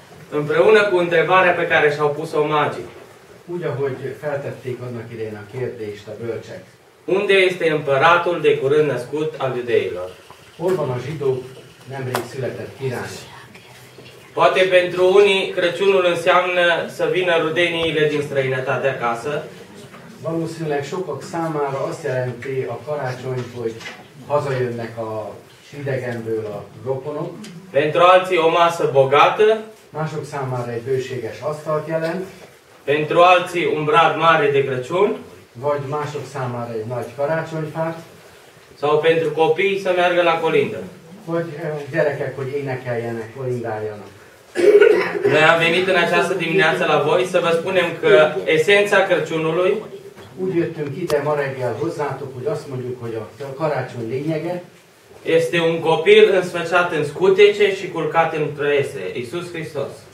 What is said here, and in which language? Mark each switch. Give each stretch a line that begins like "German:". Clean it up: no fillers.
Romanian: Împreună cu întrebarea pe care și-au pus-o magii.
Hungarian: Úgy, ahogy feltették annak idején a kérdést a bölcsek.
Romanian: Unde este împăratul de curând născut al iudeilor?
Hungarian: Hol van a zsidó nemrég született király?
Romanian: Poate pentru unii Crăciunul înseamnă să vină rudeniile din străinătate acasă.
Hungarian: Valószínűleg sokak számára azt jelenti a karácsony, hogy hazajönnek a idegenből a rokonok.
Romanian: Pentru alții o masă bogată.
Hungarian: Mások számára egy bőséges asztalt jelent.
Romanian: Pentru alții un brad mare de Crăciun.
Hungarian: Vagy mások számára egy nagy karácsonyfát.
Romanian: Sau pentru copii să meargă la colindă.
Hungarian: Vagy gyerekek, hogy énekeljenek, kolindáljanak.
Romanian: Noi am venit în această dimineață la voi să vă spunem că esența Crăciunului.
Hungarian: Úgy jöttünk ide ma reggel hozzátok, hogy azt mondjuk, hogy a karácsony lényege.
Romanian: Este un copil înfățat în scutece și culcat în trăiese, Iisus Hristos.